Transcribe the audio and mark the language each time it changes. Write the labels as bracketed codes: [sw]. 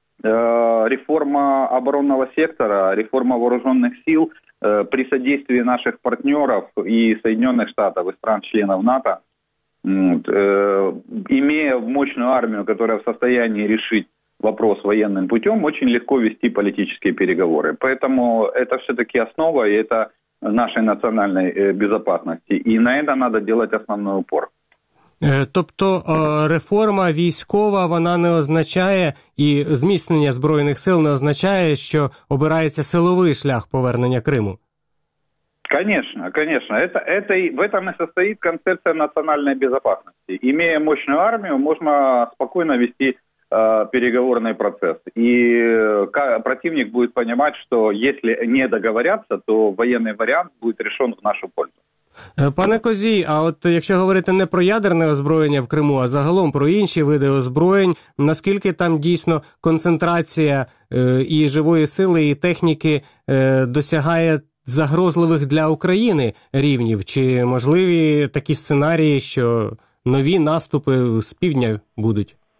[ru] реформа оборонного сектора, реформа вооруженных сил при содействии наших партнеров и Соединенных Штатов, и стран-членов НАТО, имея мощную армию, которая в состоянии решить вопрос военным путем, очень легко вести политические переговоры. Поэтому это все-таки основа, и это нашей национальной безопасности. И на это надо делать основной упор. [uk] Тобто реформа військова, вона не означає, і зміцнення Збройних сил не означає, що обирається силовий шлях повернення Криму? [ru] Конечно, конечно. В этом и состоит концепция национальной безопасности. Имея мощную армию, можно спокойно вести переговорный процесс. И противник будет понимать, что если не договорятся, то военный вариант будет решен в нашу пользу. [uk] Пане Козій, а от якщо говорити не про ядерне озброєння в Криму, а загалом про інші види озброєнь, наскільки там дійсно концентрація і живої сили, і техніки досягає загрозливих для України рівнів? Чи можливі такі сценарії, що нові наступи з півдня будуть?